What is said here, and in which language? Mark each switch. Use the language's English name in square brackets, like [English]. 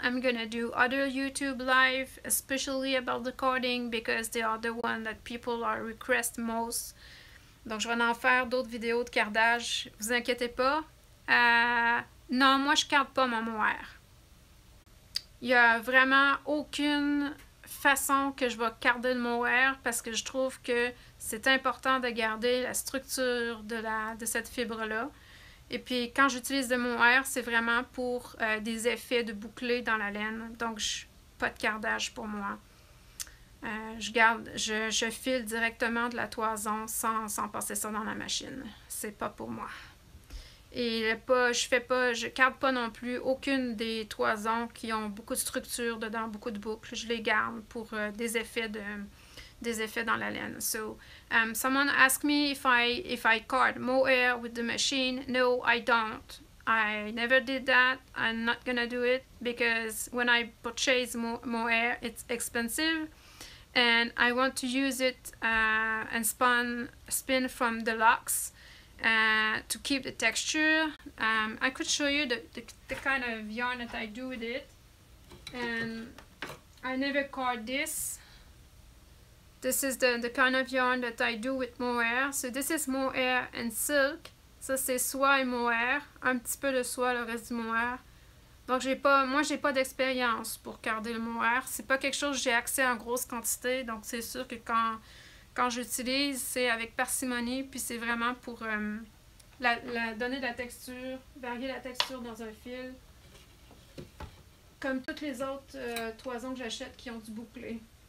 [English] I'm gonna do other YouTube live, especially about the carding, because they are the one that people are request most. [French] Donc je vais en faire d'autres vidéos de cardage, vous inquiétez pas. Non, moi je carde pas mon mohair. Il y a vraiment aucune façon que je vais carder le mohair, parce que je trouve que c'est important de garder la structure de cette fibre-là. Et puis quand j'utilise de mohair, c'est vraiment pour des effets de bouclé dans la laine. Donc, pas de cardage pour moi. Je file directement de la toison sans passer ça dans la machine. C'est pas pour moi. Et pas, je fais pas, je garde pas non plus aucune des toisons qui ont beaucoup de structure dedans, beaucoup de boucles. Je les garde pour des effets dans la laine. [English] So, someone asked me if I card mohair with the machine. No, I don't. I never did that. I'm not gonna do it because when I purchase mohair, it's expensive, and I want to use it and spin from the locks to keep the texture. I could show you the kind of yarn that I do with it, and I never card this. This is the kind of yarn that I do with mohair. So this is mohair and silk. [French] Ça, c'est soie et mohair, un petit peu de soie, le reste du mohair. Donc j'ai pas d'expérience pour carder le mohair. C'est pas quelque chose que j'ai accès en grosse quantité. Donc c'est sûr que quand j'utilise, c'est avec parcimonie, puis c'est vraiment pour donner de la texture, varier la texture dans un fil, comme toutes les autres toisons que j'achète qui ont du bouclé.